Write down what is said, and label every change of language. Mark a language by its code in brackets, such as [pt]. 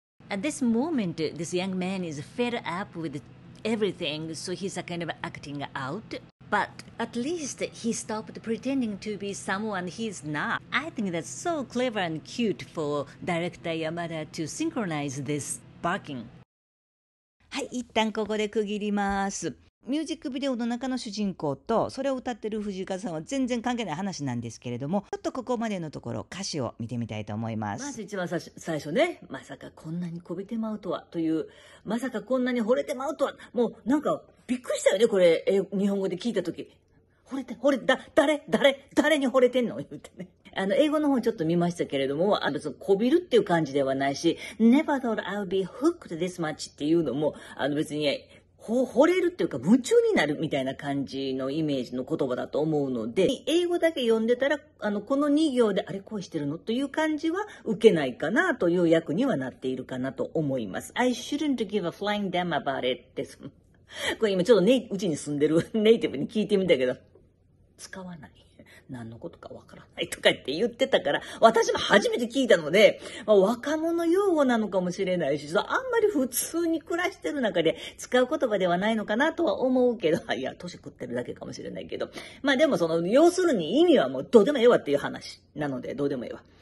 [en] At this moment, this young man is fed up with everything, so he's a kind of acting out. But at least he stopped pretending to be someone he's not. I think that's so clever and cute for director Yamada to synchronize this barking. [ja] はい、一旦ここで区切ります。ミュージックビデオの中の主人公とそれを歌ってる藤岡さんは全然関係ない話なんですけれども、ちょっとここまでのところ歌詞を見てみたいと思います。まず一番最初ね、まさかこんなにこびてまうとはという、まさかこんなに惚れてまうとは、もうなんか…びっくりしたよね、これ、日本語で聞いたとき。惚れて、誰に惚れてんの言ってね。あの英語の方ちょっと見ましたけれども、あのそのこびるっていう感じではないし、 [en] Never thought I'll be hooked this much [ja] っていうのも、あの別に惚れるっていうか夢中になるみたいな感じのイメージの言葉だと思うので、英語だけ読んでたら、あのこの2行であれ恋してるのという感じは受けないかなという訳にはなっているかなと思います。 [en] I shouldn't give a flying damn about it [ja] です。これ今ちょっとね、うちに住んでるネイティブに聞いてみたけど、使わない、何のことかわからないとかって言ってたから、私も初めて聞いたので、まあ、若者用語なのかもしれないし、あんまり普通に暮らしてる中で使う言葉ではないのかなとは思うけど、いや年食ってるだけかもしれないけど、まあでもその要するに意味はもうどうでもええわっていう話なので、どうでもええわ。